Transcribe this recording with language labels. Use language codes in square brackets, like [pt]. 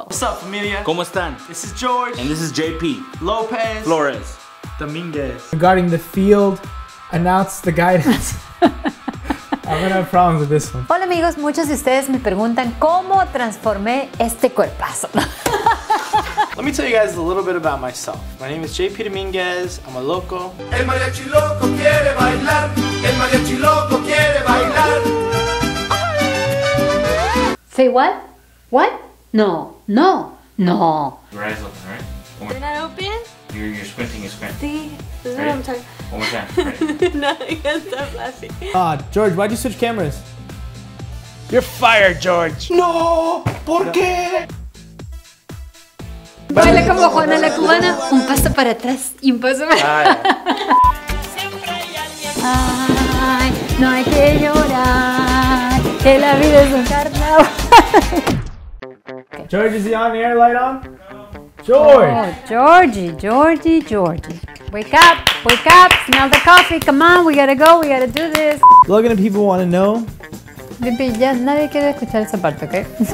[en] What's up, familia? [es] ¿Cómo están? [en] This is George. And this is JP. Lopez. Flores. Dominguez. Regarding the field, announce the guidance. I'm gonna have problems with this one. [es] Hola amigos, muchos de ustedes me preguntan cómo transformé este cuerpazo. [en] Let me tell you guys a little bit about myself. My name is JP Dominguez. I'm a loco. [es] El mariachi loco quiere bailar. El mariachi loco quiere bailar. [en] Say what? What? No. No. No. Your eyes open, right? They're not open? You're squinting, you're squinting. See? This is what I'm talking about. One more time. No, I can't stop laughing. George, why'd you switch cameras? You're fired, George. [es] No! ¿Por qué? Baila como Juana la Cubana, un paso para atrás y un paso para atrás. Ay, no hay que llorar, que la vida es un carnaval. [en] George, is he on air, light on? George! Oh, Georgie, Georgie, Georgie. Wake up, smell the coffee, come on, we gotta go, we gotta do this. Logan and people wanna know. [es] Bibi, ya nadie quiere escuchar esa parte, okay?